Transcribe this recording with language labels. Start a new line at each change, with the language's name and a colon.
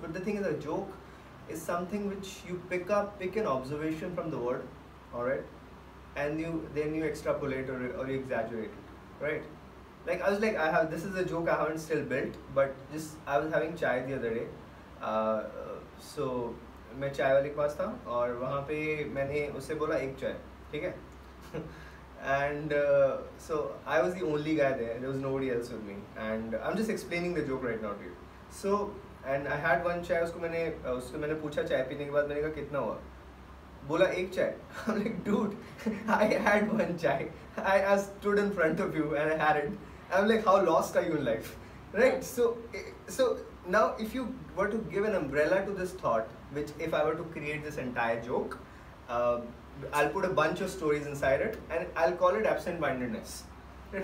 English: But the thing is, a joke is something which you pick an observation from the word, all right? And then you extrapolate or you exaggerate it, right? Like I was like, this is a joke I haven't still built, but just I was having chai the other day.
Hindi: So मैं चाय वाले के पास था और वहाँ पे मैंने उससे बोला एक चाय, ठीक है?
English: And so I was the only guy there. There was nobody else with me. And I'm just explaining the joke right now to you. So, and I had one chai.
Hindi: उसको मैंने पूछा चाय पीने के बाद मैंने कहा कितना हुआ? बोला एक चाय.
English: I'm like, dude, I had one chai. I stood in front of you and I had it. I'm like, how lost are you in life? Right? So now if you were to give an umbrella to this thought, which if I were to create this entire joke, I'll put a bunch of stories inside it and I'll call it absent-mindedness. Right?